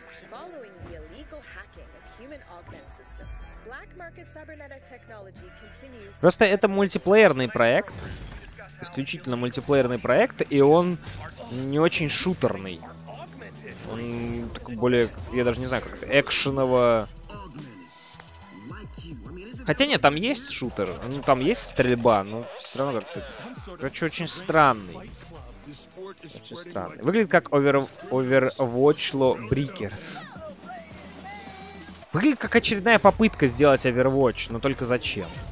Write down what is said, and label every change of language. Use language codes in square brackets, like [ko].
[en] Following the illegal hacking of human augment systems, black market cybernetic technology continues. [ru] Просто это мультиплеерный проект. Исключительно мультиплеерный проект, и он не очень шутерный. Он такой более, я даже не знаю, как экшеново. Хотя нет, там есть шутер. Ну, там есть стрельба, но все равно как-то. Короче, очень странный. Очень странно. Выглядит как Overwatch Lore Breakers. Выглядит как очередная попытка сделать Overwatch, но только зачем?